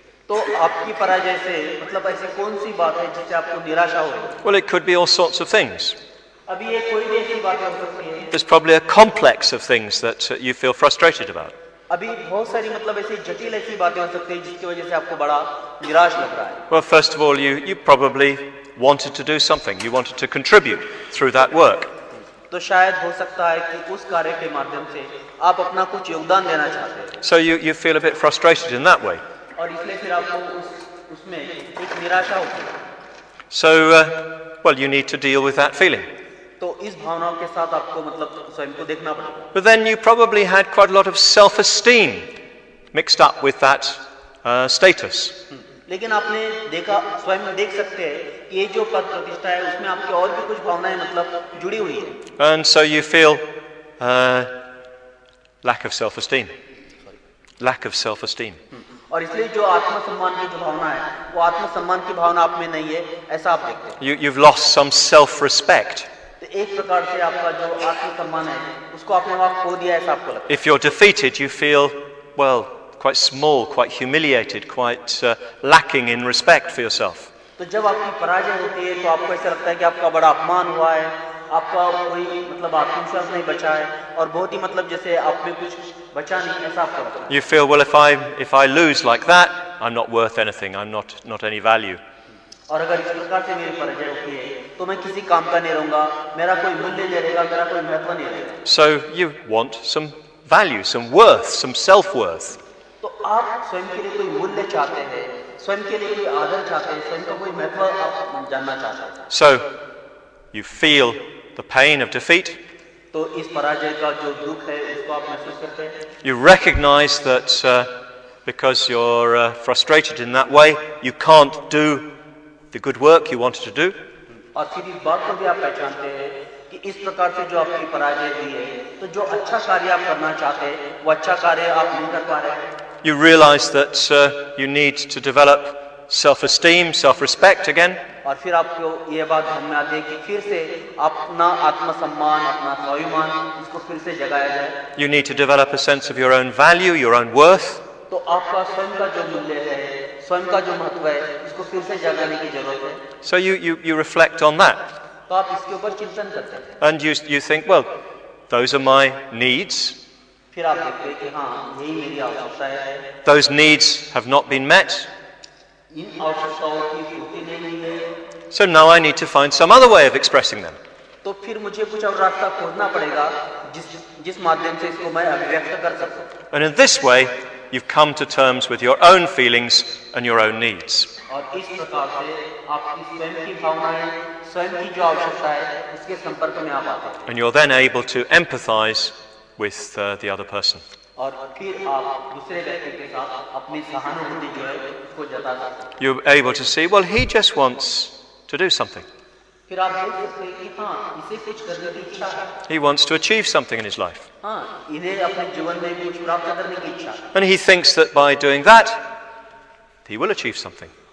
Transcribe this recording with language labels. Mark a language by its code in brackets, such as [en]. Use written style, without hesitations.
[hi] तो आपकी पराजय से मतलब ऐसी कौन सी बात है जिससे आपको निराशा हो रही है? [en] Well, it could be all sorts of things. [hi] अभी ये कोई भी ऐसी बात हो सकती है। [en] There's probably a complex of things that you feel frustrated about. [hi] अभी बहुत सारी मतलब ऐसी जटिल ऐसी बातें हो सकती हैं जिसकी वजह से आपको बड़ा निराश लग रहा है। [en] Well, first of all, you probably wanted to do something. You wanted to contribute through that work. [hi] तो शायद हो सकता है कि उस कार्य के माध्यम से आप अपना कुछ योगदान देना चाहते हैं। [en] So you feel a bit frustrated in that way. [hi] और इसलिए फिर आपको उसमें एक निराशा होती है। [en] So well, you need to deal with that feeling. [hi] तो इस भावनाओं के साथ आपको मतलब स्वयं को देखना पड़ेगा। [en] But then you probably had quite a lot of self-esteem mixed up with that status. [hi] लेकिन आपने देखा, स्वयं देख सकते हैं कि ये जो पद प्रतिष्ठा है उसमें आपकी और भी कुछ भावनाएं मतलब जुड़ी हुई है। [en] And so you feel lack of self-esteem. Lack of self-esteem. [hi] और इसलिए जो आत्मसम्मान की भावना है वो आत्मसम्मान की भावना आप में नहीं है ऐसा आप देखते हैं। [en] You've lost some self-respect. [hi] एक प्रकार से आपका जो आत्मसम्मान है उसको आपने वहां खो दिया ऐसा आपको लगता है। [en] If you're defeated, you feel, well, quite small, quite humiliated, quite lacking in respect for yourself. [hi] तो जब आपकी पराजय होती है तो आपको ऐसा लगता है कि आपका बड़ा अपमान हुआ है, आपका कोई मतलब आत्मविश्वास नहीं बचा है और बहुत ही मतलब जैसे आप में कुछ बचा नहीं ऐसा आपको लगता है। [en] You feel, well, if I lose like that, I'm not worth anything, I'm not any value. [hi] और अगर इस प्रकार से मेरी पराजय होती है तो मैं किसी काम का नहीं रहूंगा, मेरा कोई मूल्य नहीं रहेगा, मेरा कोई महत्व नहीं रहेगा। [en] So you want some value, some worth, some self-worth. [hi] तो आप स्वयं के लिए कोई मूल्य चाहते हैं, स्वयं के लिए कोई आदर चाहते हैं, स्वयं का कोई महत्व आप जानना चाहते हैं। [en] So you feel the pain of defeat. [hi] तो इस पराजय का जो दुख है उसको आप महसूस करते हैं। [en] You recognize that because you're frustrated in that way, you can't do the good work you wanted to do. [hi] और फिर इस बात को भी आप पहचानते हैं कि इस प्रकार से जो आपकी पराजय हुई है तो जो अच्छा कार्य आप करना चाहते हैं वो अच्छा कार्य आप नहीं कर पा रहे। [en] You realize that you need to develop self-esteem, self-respect again. [hi] और फिर आपको ये बात ध्यान में आती है कि फिर से अपना आत्मसम्मान, अपना स्वाभिमान इसको फिर से जगाया जाए। [en] You need to develop a sense of your own value, your own worth. [hi] तो आपका स्वयं का जो मूल्य है, स्वयं का जो महत्व है इसको फिर से जगाने की जरूरत है। [en] So you reflect on that. [hi] तो आप इसके ऊपर चिंतन करते हैं। [en] And you think, well, those are my needs. [hi] फिर आप देखते हैं कि हाँ, यही मेरी आवश्यकता है। [en] Those needs have not been met. [hi] इन आवश्यकताओं की पूर्ति नहीं हुई है। [en] So now I need to find some other way of expressing them. [hi] तो फिर मुझे कुछ और रास्ता खोजना पड़ेगा जिस माध्यम से इसको मैं अभिव्यक्त कर सकूं। [en] And in this way, you've come to terms with your own feelings and your own needs. [hi] और इस प्रकार से आपकी स्वयं की भावनाएं, स्वयं की जो आवश्यकता है, इसके संपर्क में आप आते हैं। [en] And you're then able to empathize with the other person. [hi] और फिर आप दूसरे व्यक्ति के साथ अपनी सहानुभूति जो है उसको जता सकते हैं। [en] You're able to see, well, he just wants to do something. He wants to achieve something in his life. And he thinks that by doing that, he will achieve something.